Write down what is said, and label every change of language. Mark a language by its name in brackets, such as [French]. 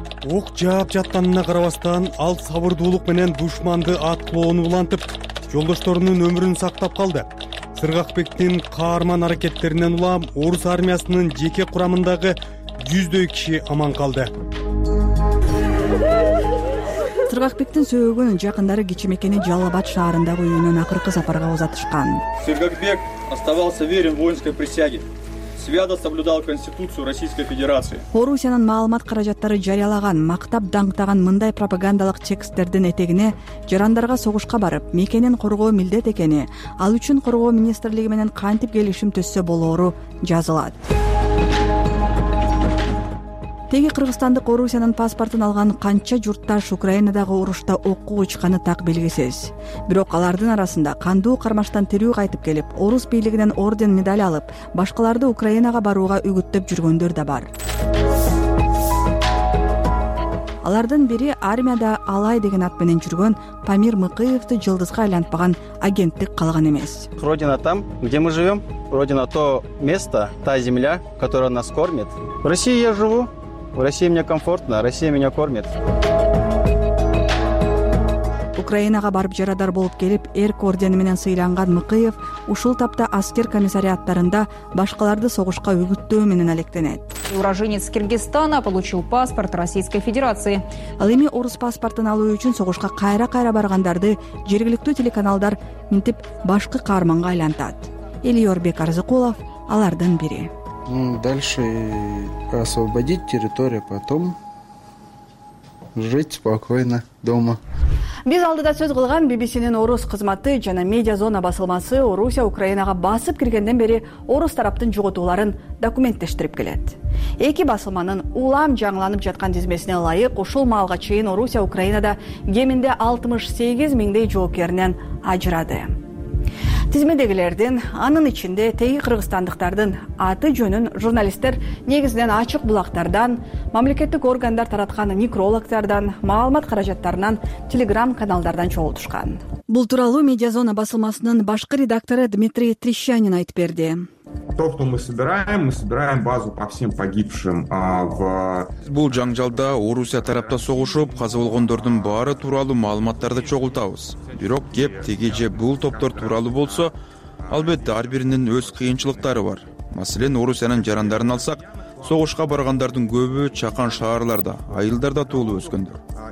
[Kyrgyz] Ок жаап жатканына карабастан ал сабырдуулук менен душманды атклоону улантып жолдошторунун өмүрүн сактап калды. Сыргакбектин каарман аракеттеринен улам орус армиясынын жеке курамындагы 100 киши аман калды. Сыргакбектин сөөгүн жакындары кичи мекени Жалал Абад шаарындагы үйүнөн акыркы сапарга узатышкан. [Russian] Сыргакбек оставался верен воинской присяге. Свято соблюдал Конституцию Российской Федерации. [Kyrgyz] Орусиянын маалымат каражаттары жарыялаган, мактап даңктаган мындай пропагандалык текстердин этегине жарандарга согушка барып, мекенин коргоо милдет экени, ал үчүн коргоо министрлиги менен кантип келишим түзсө болоору жазылат. Теги кыргызстандык Орусиянын паспортун алган канча журтташ Украинадагы урушта окуу учканы так белгисиз. Бирок алардын арасында кандуу кармаштан тирүү кайтып келип, орус бийлигинен орден медаль алып, башкаларды Украинага барууга үгүттөп жүргөндөр да бар. Алардын бири армияда Алай деген ат менен жүргөн Памир Мыкыевди жылдызга айлантпаган агенттик калган эмес. [Russian] Родина там, где мы живем. Родина то место, та земля, которая нас кормит. В России я живу. В России мне комфортно, Россия меня кормит. [Kyrgyz] Украинага барып жарадар болуп келип, эрк ордени менен сыйланган Мыкыев ушул тапта аскер комиссариаттарында башкаларды согушка үгүттөө менен алектенет. [Russian] Уроженец Кыргызстана получил паспорт Российской Федерации. [Kyrgyz] Ал эми орус паспортун алуу үчүн согушка кайра-кайра баргандарды жергиликтүү телеканалдар минтип башкы каарманга айлантат. Элиор Бекарзыкулов алардын бири. [Russian] Дальше освободить территорию, потом жить спокойно дома. [Kyrgyz] Биз алдыда сөз кылган BBC'нин орус кызматы жана медиазона басылмасы Орусия Украинага басып киргенден бери орус тараптын жоготууларын документтештирип келет. Эки басылманын улам жаңыланып жаткан тизмесине ылайык, ушул маалга чейин Орусия Украинада кеминде 68 миңдей жоокеринен ажырады. Тизмедегилердин, анын ичинде теги кыргызстандыктардын аты жөнүн журналисттер негизинен ачык булактардан, мамлекеттик органдар тараткан некрологдордон, маалымат каражаттарынан, телеграм каналдардан чогултушкан. Бул тууралуу медиазона басылмасынын башкы редактору Дмитрий Трещанин айтып берди. [Russian] То, что мы собираем базу по всем погибшим. [Kyrgyz] Бул жаңжалда Орусия тарапта согушуп, каза болгондордун баары тууралуу маалыматтарды чогултабыз. Бирок кеп теги же бул топтор тууралуу болсо, албетте ар биринин өз кыйынчылыктары бар. Маселен, Орусиянын жарандарын алсак, согушка баргандардын көбү чакан шаарларда, айылдарда туулуп өскөндөр.